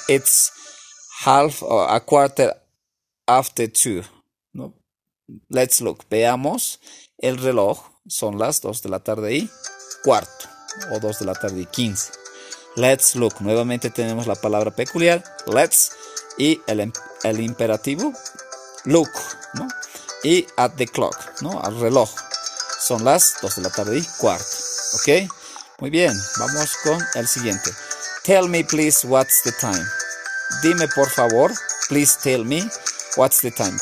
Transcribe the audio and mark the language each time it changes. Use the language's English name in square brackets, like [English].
[English] It's half or a quarter after two. No, let's look. [Spanish] Veamos el reloj. Son las 2 de la tarde y cuarto. O 2 de la tarde y 15. [English] Let's look. [Spanish] Nuevamente tenemos la palabra peculiar. Let's. Y el imperativo, look, ¿no? Y [English] at the clock, [Spanish] ¿no? Al reloj. Son las 2 de la tarde y cuarto. ¿Ok? Muy bien, vamos con el siguiente. [English] Tell me, please, what's the time. [Spanish] Dime, por favor, [English] please tell me, what's the time.